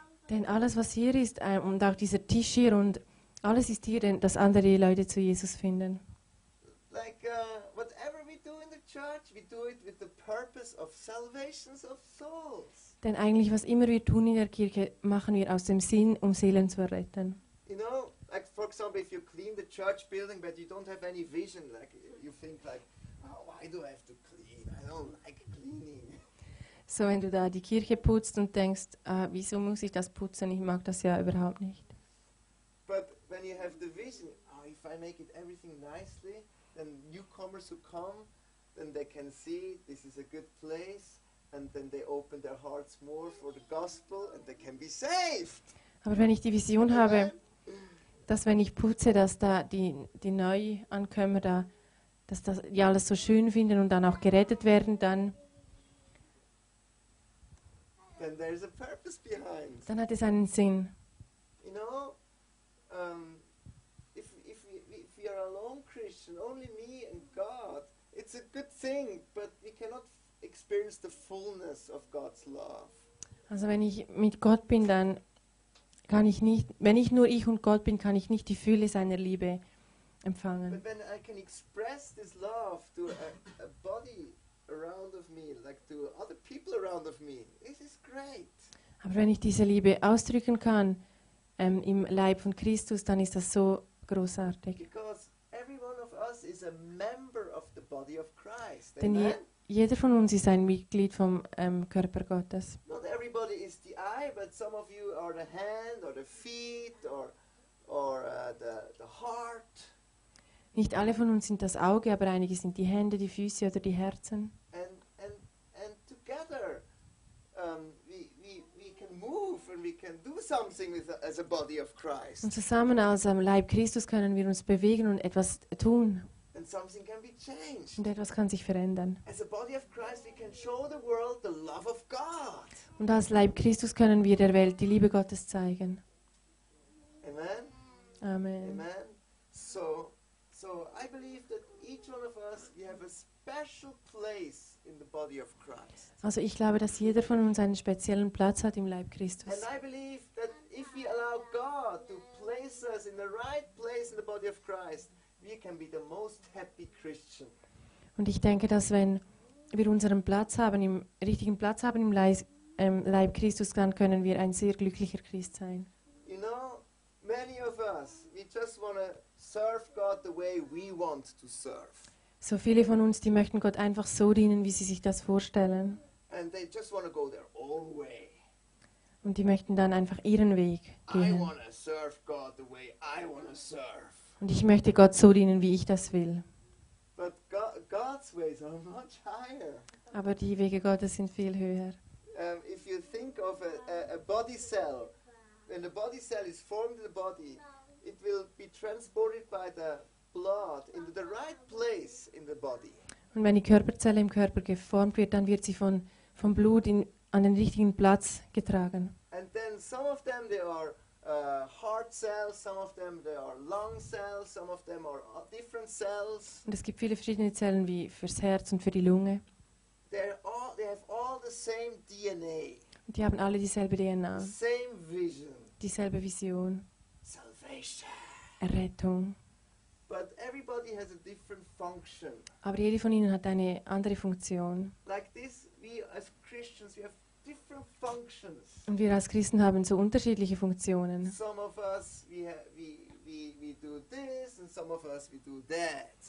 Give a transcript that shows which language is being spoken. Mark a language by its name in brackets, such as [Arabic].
[German] Denn alles, was hier ist, und auch dieser Tisch hier, und alles ist hier, denn, dass andere Leute zu Jesus finden. [English] Like, whatever we do in the church, we do it with the purpose of salvation of souls. [German] Denn eigentlich, was immer wir tun in der Kirche, machen wir aus dem Sinn, um Seelen zu erretten. [English] You know, like for example, if you clean the church building, but you don't have any vision, like you think like, oh, why do I have to clean? I don't like cleaning. [German] So wenn du da die Kirche putzt und denkst, wieso muss ich das putzen? Ich mag das ja überhaupt nicht. [English] But when you have the vision, oh, if I make it everything nicely, then newcomers who come, then they can see this is a good place. And then they open their hearts more for the gospel, and they can be saved. [German] Aber wenn ich die Vision habe, dass wenn ich putze, dass da die Neuankömmler da, dass das die alles so schön finden und dann auch gerettet werden, [English] then there's a purpose behind. [German] Dann hat es einen Sinn. [English] You know, if we are a lone Christian, only me and God, it's a good thing, but we cannot experience the fullness of God's love. [German] Also wenn ich mit Gott bin, dann kann ich nicht, wenn ich nur ich und Gott bin, kann ich nicht die Fülle seiner Liebe empfangen. [English] But when I can express this love to a body around of me, like to other people around of me, this is great. [German] Aber wenn ich diese Liebe ausdrücken kann im Leib von Christus, dann ist das so großartig. [English] Because every one of us is a member of the body of Christ. [German] Denn jeder von uns ist ein Mitglied vom Körper Gottes. [English] Not everybody is the eye, but some of you are the hand or the feet or the heart. [German] Nicht alle von uns sind das Auge, aber einige sind die Hände, die Füße oder die Herzen. [English] And together we can move and we can do something with as a body of Christ. [German] Und zusammen als Leib Christus können wir uns bewegen und etwas tun. [English] And something can be changed. [German] Und etwas kann sich verändern. [English] As a body of Christ, we can show the world the love of God. [German] Und als Leib Christus können wir der Welt die Liebe Gottes zeigen. Amen. Amen. Amen. [English] So I believe that each one of us, we have a special place in the body of Christ. [German] Also ich glaube, dass jeder von uns einen speziellen Platz hat im Leib Christus. [English] And I believe that if we allow God to place us in the right place in the body of Christ, we can be the most happy Christian. [German] Und ich denke, dass wenn wir unseren Platz haben, im richtigen Platz haben im Leib Christus, dann können wir ein sehr glücklicher Christ sein. [English] You know, many of us, we just want to serve God the way we want to serve. [German] So viele von uns, die möchten Gott einfach so dienen, wie sie sich das vorstellen. [English] And they just want to go their own way. [German] Und die möchten dann einfach ihren Weg gehen. [English] I want to serve God the way I want to serve. [German] Und ich möchte Gott so dienen, wie ich das will. [English] But God's ways are much higher. [German] Aber die Wege Gottes sind viel höher. [English] If you think of a body cell, when the body cell is formed in the body, it will be transported by the blood into the right place in the body. [German] Und wenn die Körperzelle im Körper geformt wird, dann wird sie vom Blut an den richtigen Platz getragen. [English] And then some of them, they are heart cells, some of them they are lung cells, some of them are different cells. [German] Und es gibt viele verschiedene Zellen wie fürs Herz und für die Lunge. [English] They have all the same DNA. [German] Und die haben alle dieselbe DNA. [English] Same vision. [German] Dieselbe Vision. [English] Salvation. [German] Errettung. [English] But everybody has a different function. [German] Aber jede von ihnen hat eine andere Funktion. [English] Like this, we as Christians, we have different functions. [German] Und wir als Christen haben so unterschiedliche Funktionen. [English] Some of us we do this and some of us we do that.